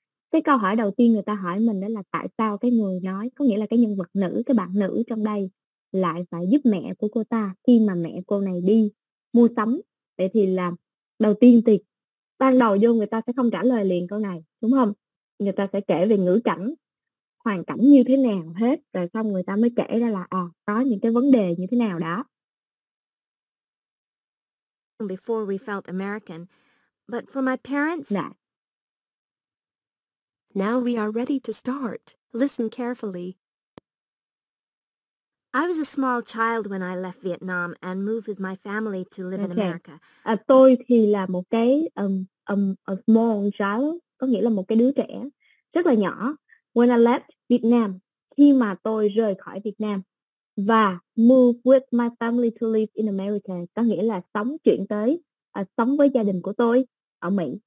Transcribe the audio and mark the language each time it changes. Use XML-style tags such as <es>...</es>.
<vi>Cái câu hỏi đầu tiên người ta hỏi mình đó là tại sao cái người nói, có nghĩa là cái nhân vật nữ, cái bạn nữ trong đây lại phải giúp mẹ của cô ta khi mà mẹ cô này đi mua sắm. Vậy thì là đầu tiên thì ban đầu vô người ta sẽ không trả lời liền câu này, đúng không? Người ta sẽ kể về ngữ cảnh, hoàn cảnh như thế nào hết, rồi xong người ta mới kể ra là có những cái vấn đề như thế nào đó.</vi> <en>Before we felt American, but for my parents...</en> <vi>Nè.</vi> <en>Now we are ready to start. Listen carefully. I was a small child when I left Vietnam and moved with my family to live in America.</en> <vi>Tôi thì là một cái</vi> <en>a small child,</en> <vi>có nghĩa là một cái đứa trẻ rất là nhỏ.</vi> <en>When I left Vietnam,</en> <vi>khi mà tôi rời khỏi Việt Nam và</vi> <en>moved with my family to live in America,</en> <vi>có nghĩa là sống chuyển tới sống với gia đình của tôi ở Mỹ.</vi>